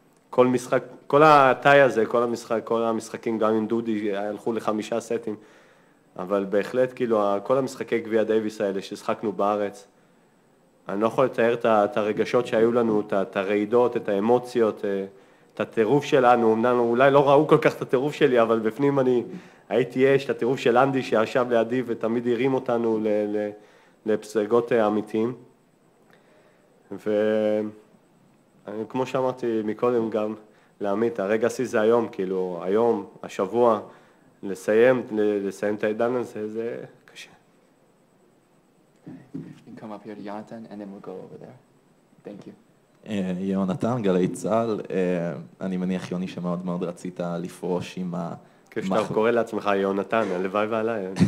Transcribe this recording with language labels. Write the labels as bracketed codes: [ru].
[he] כל משחק, כל הטאי הזה, כל המשחק, כל המשחקים, גם עם דודי, הלכו לחמישה סטים, אבל בהחלט, כאילו, כל המשחקי גביע דייביס האלה ששחקנו בארץ, אני לא יכול לתאר את הרגשות שהיו לנו, את הרעידות, את האמוציות, את הטירוף שלנו, אמנם אולי לא ראו כל כך את הטירוף שלי, אבל בפנים אני הייתי יש, את הטירוף של אנדי שישב לידי ותמיד הרים אותנו לפסגות אמיתיים. וכמו שאמרתי מקודם גם להעמיד, הרגע עשי זה היום, כאילו היום, השבוע, לסיים את העידן הזה, זה קשה. [en] Come up here to Jonathan, and then we'll go over there. Thank you. [he] יונתן, גלי צהל, אני מניח יוני שמאוד מאוד רצית לפרוש עם ה... כשאתה קורא לעצמך יונתן, הלוואי ועליי.